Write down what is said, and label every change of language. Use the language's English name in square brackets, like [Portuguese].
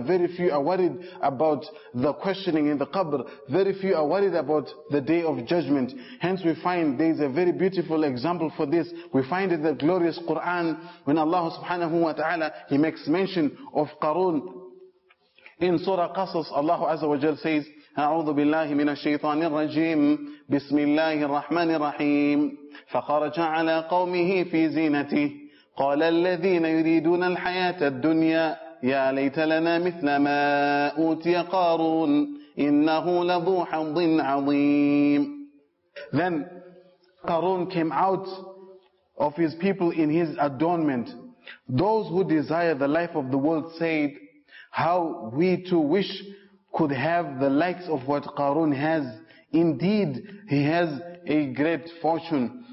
[English] Very few are worried about the questioning in the qabr. Very few are worried about the day of judgment. Hence we find there is a very beautiful example for this. We find in the glorious Quran, when Allah subhanahu wa ta'ala, he makes mention of Qarun. In Surah Qasas, Allah Azza wa Jal says, [Arabic] أَعُوذُ بِاللَّهِ مِنَ الشَّيْطَانِ الرَّجِيمِ بِسْمِ اللَّهِ الرَّحْمَنِ الرَّحِيمِ فَخَرَجَ عَلَى قَوْمِهِ فِي زِينَتِهِ قَالَ الَّذِينَ يُرِيدُونَ الْحَيَاةَ الدُّنْيَا يَا لَيْتَ لَنَا مِثْلَ مَا أُوتِيَ قَارُونَ إِنَّهُ لَذُو حَظٍ عَظِيمٍ. [English] Then Qarun came out of his people in his adornment. Those who desire the life of the world said, how we too wish could have the likes of what Qarun has. Indeed, he has a great fortune.